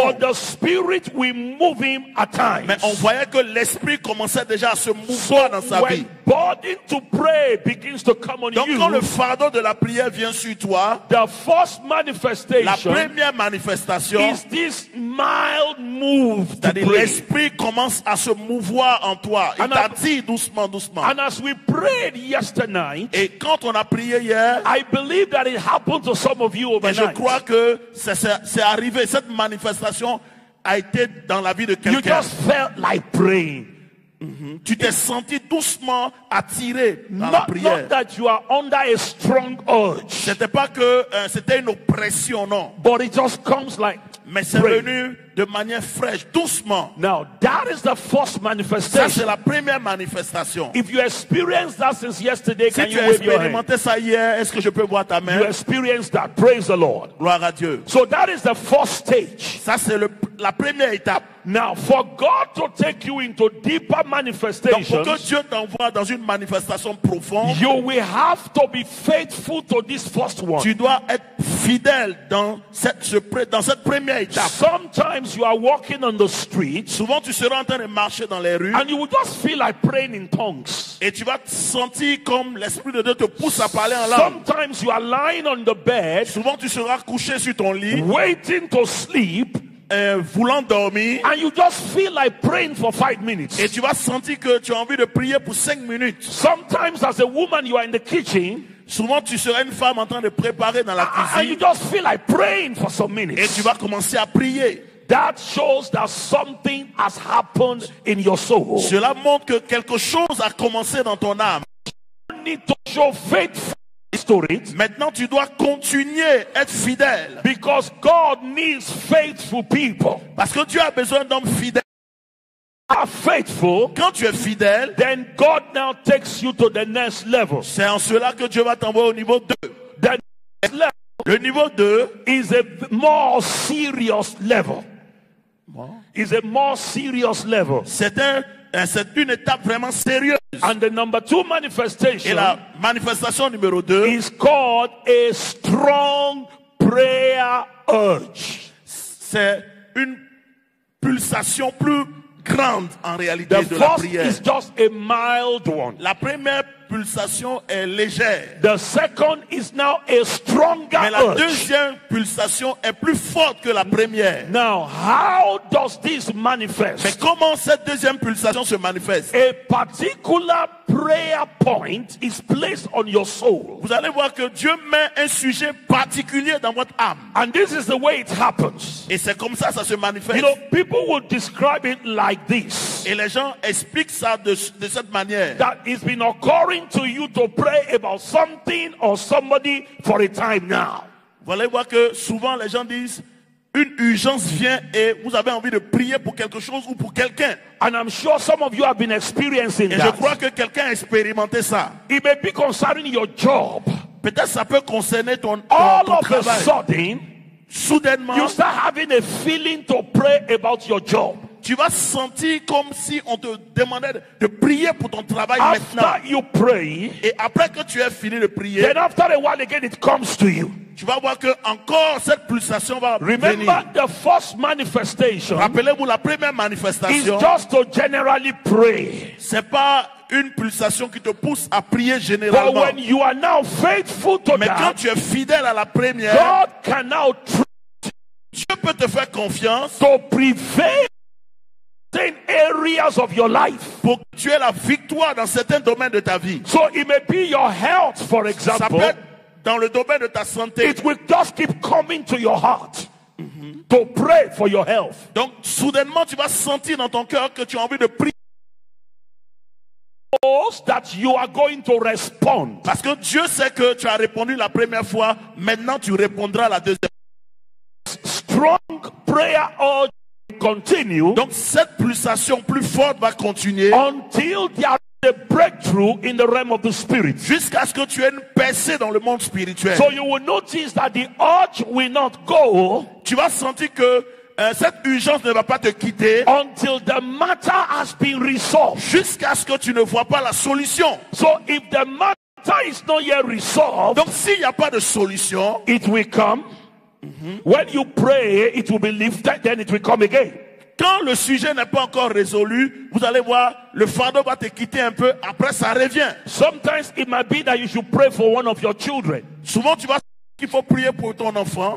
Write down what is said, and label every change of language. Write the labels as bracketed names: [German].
[English] But the spirit will move him at times. [French] Mais on voyait que l'esprit commençait déjà à se mouvoir [English] so [French] dans sa [English] when [French] vie. [English] Burden to pray begins to come on [French] donc [English] you, [French] quand le fardeau de la prière vient sur toi, [English] the first manifestation, [French] la première manifestation, [English] is this mild move to pray. [French] L'esprit commence à se mouvoir en toi. Il t'attire doucement, doucement. [English] And as we prayed yesterday, [French] et quand on a prié hier, [English] I believe that it happened to some of you overnight. [French] Et je crois que c'est arrivé, cette manifestation a été dans la vie de quelqu'un. [English] You just felt like praying. [French] Mm-hmm. Tu t'es senti doucement attiré dans [English] not, [French] la prière. [English] Not that you are under a strong urge. [French] C'était pas que c'était une oppression, non. [English] But it just comes like [French] mais c'est [English] praying. [French] Venu de manière fraîche, doucement. [English] Now, that is the first manifestation. [French] Ça, c'est la première manifestation. [English] If you experienced that since yesterday, [French] si [English] can [French] tu [English] you [French] as [English] wave [French] expérimenté [English] your hand? [French] Ça hier, est-ce que je peux voir ta main? [English] You experienced that. Praise the Lord. [French] Gloire à Dieu. [English] So that is the first stage. [French] Ça, c'est la première étape. [English] Now, for God to take you into deeper manifestations, [French] donc, pour que Dieu t'envoie dans une manifestation profonde, [English] you will have to be faithful to this first one. [French] Tu dois être fidèle dans cette première étape. [English] Sometimes you are walking on the street, [French] souvent tu seras en train de marcher dans les rues, [English] and you will just feel like praying in tongues. [French] Et tu vas te sentir comme l'Esprit de Dieu te pousse à parler en langue. [English] Sometimes you are lying on the bed, [French] souvent tu seras couché sur ton lit, [English] waiting to sleep, [French] voulant dormir, [English] and you just feel like praying for 5 minutes. [French] Et tu vas sentir que tu as envie de prier pour 5 minutes. [English] Sometimes as a woman you are in the kitchen, [French] souvent tu seras une femme en train de préparer dans la cuisine, [English] and you just feel like praying for some minutes. [French] Et tu vas commencer à prier. [English] That shows that something has happened in your soul. [French] Cela montre que quelque chose a commencé dans ton âme. [English] You need to show faith. [French] Maintenant, tu dois continuer à être fidèle. [English] Because God needs faithful people. [French] Parce que Dieu a besoin d'hommes fidèles. [English] Are faithful? [French] Quand tu es fidèle, [English] then God now takes you to the next level. [French] C'est en cela que Dieu va t'envoyer au niveau 2. [English] The next level. [French] Le niveau 2 [English] is a more serious level. Is a more serious level. [French] C'est une étape vraiment sérieuse. [English] And the number two manifestation, [French] et la manifestation numéro 2 [English] is called a strong prayer urge. [French] C'est une pulsation plus grande en réalité [English] the [French] de la prière. [English] Is just a mild one. [French] La première pulsation est légère. [English] The second is now a stronger urge. [French] Mais la deuxième pulsation est plus forte que la première. [English] Now, how does this manifest? [French] Mais comment cette deuxième pulsation se manifeste? [English] A particular prayer point is placed on your soul. [French] Vous allez voir que Dieu met un sujet particulier dans votre âme. [English] And this is the way it happens. [French] Et c'est comme ça, ça se manifeste. [English] You know, people would describe it like this. [French] Et les gens expliquent ça de cette manière. [English] That it's been occurring to you to pray about something or somebody for a time now. [French] Vous allez voir que souvent les gens disent, Une urgence vient et vous avez envie de prier pour quelque chose ou pour quelqu'un. [English] And I'm sure some of you have been experiencing that. [French] Et je crois que quelqu'un a expérimenté ça. [English] It may be concerning your job. [French] Peut-être ça peut concerner ton travail. [English] All of a sudden, [French] soudainement, [English] you start having a feeling to pray about your job. [French] Tu vas sentir comme si on te demandait de prier pour ton travail [English] after [French] maintenant. [English] After you pray, [French] et après que tu as fini de prier, [English] then after a while again it comes to you. [French] Tu vas voir que encore cette pulsation va [English] Remember [French] venir. [English] Remember the first manifestation. [French] Rappelez-vous la première manifestation. [English] It's just to generally pray. [French] C'est pas une pulsation qui te pousse à prier généralement. [English] But when you are now faithful to [French] Mais [English] that, [French] quand tu es fidèle à la première, [English] God can now trust. [French] Dieu peut te faire confiance. [English] To prevail. Certain areas of your life. [French] Pour que tu aies la victoire dans certains domaines de ta vie. [English] So it may be your health, for example. [French] Ça peut être dans le domaine de ta santé. [English] It will just keep coming to your heart to pray for your health. [French] Donc soudainement tu vas sentir dans ton cœur que tu as envie de prier. [English] That you are going to respond. [French] Parce que Dieu sait que tu as répondu la première fois. Maintenant tu répondras la deuxième. [English] Strong prayer or continue. [French] Donc cette pulsation plus forte va continuer [English] until there is a breakthrough in the realm of the spirit. [French] Jusqu'à ce que tu aies une percée dans le monde spirituel. [English] So you will notice that the urge will not go. [French] Tu vas sentir que cette urgence ne va pas te quitter [English] until the matter has been resolved. [French] Jusqu'à ce que tu ne vois pas la solution. [English] So if the matter is not yet resolved, [French] donc s'il n'y a pas de solution, [English] it will come. When you pray, it will be lifted, then it will come again. [French] Quand le sujet n'est pas encore résolu, vous allez voir, le fardeau va te quitter un peu, après ça revient. [English] Sometimes it might be that you should pray for one of your children. [French] Souvent tu vas qu'il faut prier pour ton enfant.